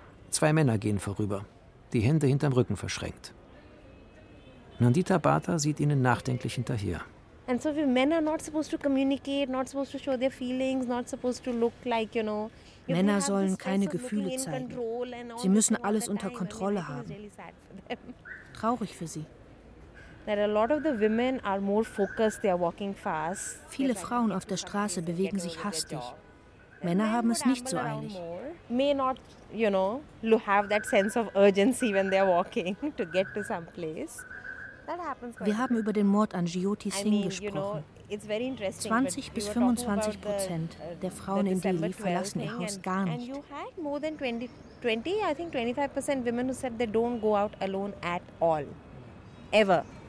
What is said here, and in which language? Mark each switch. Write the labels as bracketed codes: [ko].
[de] Zwei Männer gehen vorüber, die Hände hinterm Rücken verschränkt. Nandita Bhatta sieht ihnen nachdenklich hinterher. [en] And so if men are not supposed to communicate, not supposed to show their feelings, not supposed to look like, you know, [de] Männer sollen keine Gefühle zeigen. Sie müssen alles unter Kontrolle haben. Traurig für sie. [en] That a lot of the women are more focused, they are walking fast. [de] Viele Frauen auf der Straße bewegen sich hastig. Männer haben es nicht so eilig. [en] May not, you know, have that sense of urgency when they're walking to get to some place. That happens. [de] Wir haben über den Mord an Jyoti Singh gesprochen. 20-25% der Frauen in Delhi verlassen ihr Haus gar nicht. [en] And you had more than 25% women who said they don't go out alone at all, ever.